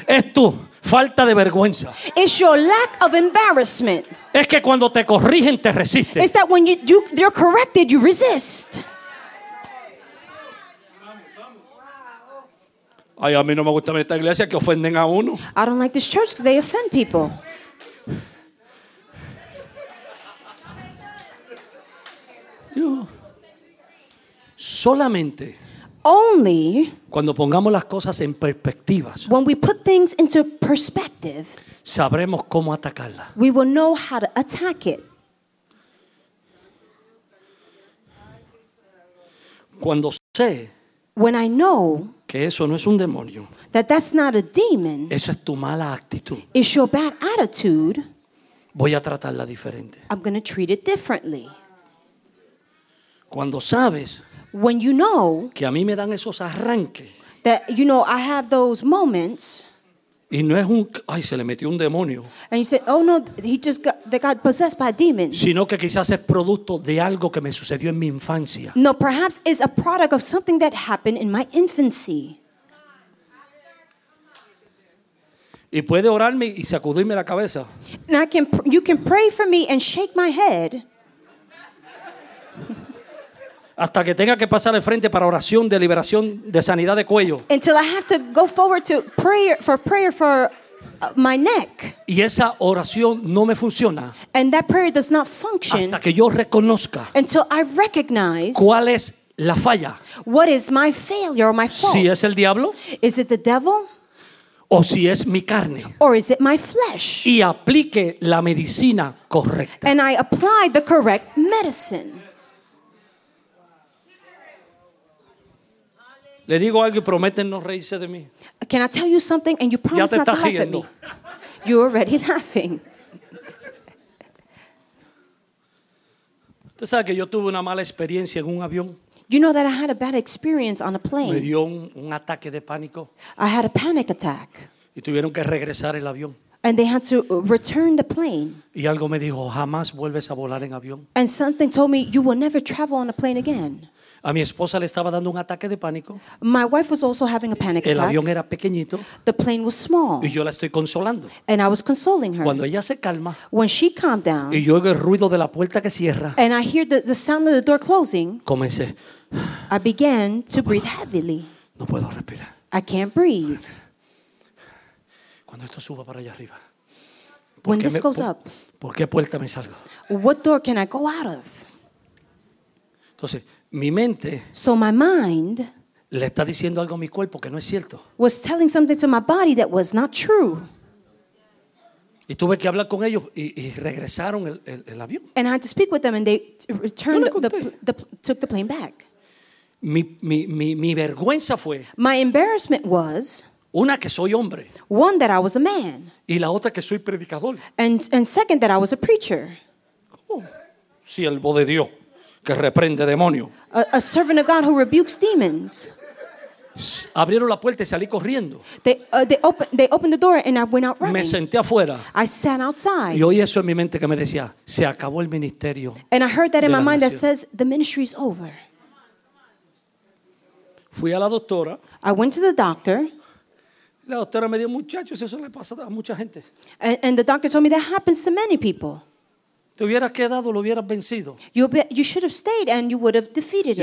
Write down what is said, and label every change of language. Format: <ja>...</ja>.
<es>Es tu falta de vergüenza.</es> <en>It's your lack of embarrassment.</en> <es>Es que cuando te corrigen te resistes.</es> <en>It's that when you're corrected, you resist.</en> <es>Ay, a mí no me gusta esta iglesia que ofenden a uno.</es> <en>I don't like this church because they offend people.</en> <es>Yo, solamente</es> <en>only</en> <es>cuando pongamos las cosas en perspectiva,</es> <en>when we put things into perspective,</en> <es>sabremos cómo atacarla.</es> <en>We will know how to attack it.</en> <es>Cuando sé</es> <en>when I know</en> <es>que eso no es un demonio,</es> <en>that that's not a demon,</en> <es>esa es tu mala actitud,</es> <en>it's your bad attitude,</en> <es>voy a tratarla diferente.</es> <en>I'm going to treat it differently.</en> <es>Cuando sabes</es> <en>when you know</en> <es>que a mí me dan esos arranques,</es> <en>that you know I have those moments,</en> <es>Y no es un, ay, se le metió un demonio.</es> <en>And you say, oh no, he just got, they got possessed by a demon.</en> <es>Sino que quizás es producto de algo que me sucedió en mi infancia.</es> <en>No, perhaps it's a product of something that happened in my infancy.</en> <es>Y puede orarme y sacudirme la cabeza.</es> <en>Now you can pray for me and shake my head.</en> <es>Hasta que tenga que pasar de frente para oración de liberación de sanidad de cuello.</es> <en>Until I have to go forward to prayer for my neck.</en> <es>Y esa oración no me funciona.</es> <en>And that prayer does not function.</en> <es>Hasta que yo reconozca.</es> <en>Until I recognize.</en> <es>¿Cuál es la falla?</es> <en>What is my failure or my fault?</en> <es>Si es el diablo.</es> <en>Is it the devil?</en> <es>O si es mi carne.</es> <en>Or is it my flesh?</en> <es>Y aplique la medicina correcta.</es> <en>And I apply the correct medicine.</en> <es>Le digo algo y prometen no reírse de mí.</es> <en>Can I tell you something and you promise not to laugh at me? You're already laughing.</en> <es>¿Tú sabes que yo tuve una mala experiencia en un avión?</es> <en>You know that I had a bad experience on a plane.</en> <es>Me dio un ataque de pánico.</es> <en>I had a panic attack.</en> <es>Y tuvieron que regresar el avión.</es> <en>And they had to return the plane.</en> <es>Y algo me dijo, jamás vuelves a volar en avión.</es> <en>And something told me, you will never travel on a plane again.</en> <es>A mi esposa le estaba dando un ataque de pánico.</es> <en>My wife was also having a panic attack.</en> <es>El avión era pequeñito.</es> <en>The plane was small.</en> <es>Y yo la estoy consolando.</es> <en>And I was consoling her.</en> <es>Cuando ella se calma.</es> <en>When she calmed down.</en> <es>Y yo oigo el ruido de la puerta que cierra.</es> <en>And I hear the sound of the door closing.</en> <es>Comencé.</es> <en>I began to breathe heavily.</en> <es>No puedo respirar.</es> <en>I can't breathe.</en> <es>Cuando esto suba para allá arriba.</es> <en>When this goes up.</en> <es>¿Por qué puerta me salgo?</es> <en>What door can I go out of?</en> <es>Entonces, mi mente,</es> <en>so my mind,</en> <es>le está diciendo algo a mi cuerpo que no es cierto.</es> <en>Was telling something to my body that was not true.</en> <es>Y tuve que hablar con ellos y regresaron el avión.</es> <en>And I had to speak with them and they returned took the plane back.</en> <es>Mi vergüenza fue.</es> <en>My embarrassment was.</en> <es>Una que soy hombre.</es> <en>One that I was a man.</en> <es>Y la otra que soy predicador.</es> <en>And second that I was a preacher.</en> <es>¿Cómo? Siervo de Dios. Que reprende demonio.</es> <en>A servant of God who rebukes demons.</en> <es>Abrieron la puerta y salí corriendo.</es> <en>They opened the door and I went out running.</en> <es>Me senté afuera.</es> <en>I sat outside.</en> <es>Y oí eso en mi mente que me decía, se acabó el ministerio.</es> <en>And I heard that in my mind that says the ministry is over.</en> <es>Fui a la doctora.</es> <en>I went to the doctor.</en> <es>La doctora me dijo, muchachos, eso le pasa a mucha gente.</es> <en>And the doctor told me that happens to many people.</en> <es>Te hubieras quedado, lo hubieras vencido.</es> <en>You should have stayed and you would have defeated it.</en>